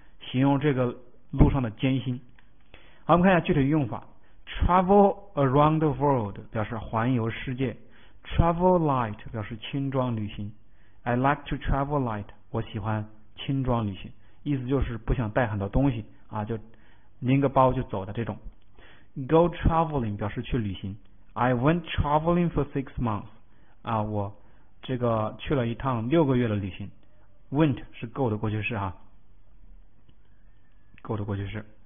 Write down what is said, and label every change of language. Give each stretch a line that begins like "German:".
Chinese: 形容这个路上的艰辛。好，我们看一下具体用法 ，
English: travel around the world
Chinese: 表示环游世界 ，
English: travel light
Chinese: 表示轻装旅行 ，
English: I like to travel light，
Chinese: 我喜欢轻装旅行，意思就是不想带很多东西啊，就拎个包就走的这种。
English: Go traveling
Chinese: 表示去旅行
English: ，I went traveling for 6 months，
Chinese: 啊，我。这个去了一趟6个月的旅行 ，went 是 go 的过去式哈 ，go 的过去式。